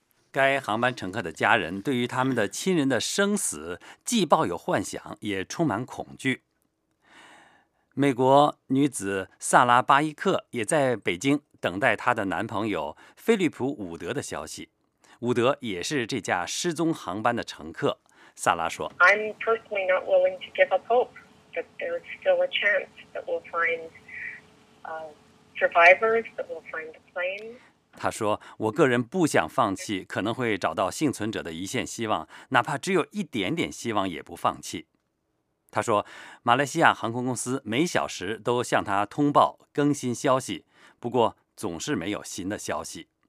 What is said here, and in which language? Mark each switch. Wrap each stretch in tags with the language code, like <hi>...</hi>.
<zh>该航班乘客的家人对于他们的亲人的生死既抱有幻想也充满恐惧。美国女子萨拉·巴伊克也在北京等待她的男朋友菲利普·伍德的消息。伍德也是这架失踪航班的乘客。萨拉说，</zh> <en>I'm personally not willing to give up hope that there's still a chance that we'll find survivors, that we'll find a plane.</en> <zh>他说，我个人不想放弃可能会找到幸存者的一线希望，哪怕只有一点点希望也不放弃。他说，马来西亚航空公司每小时都向他通报更新消息，不过总是没有新的消息。</zh>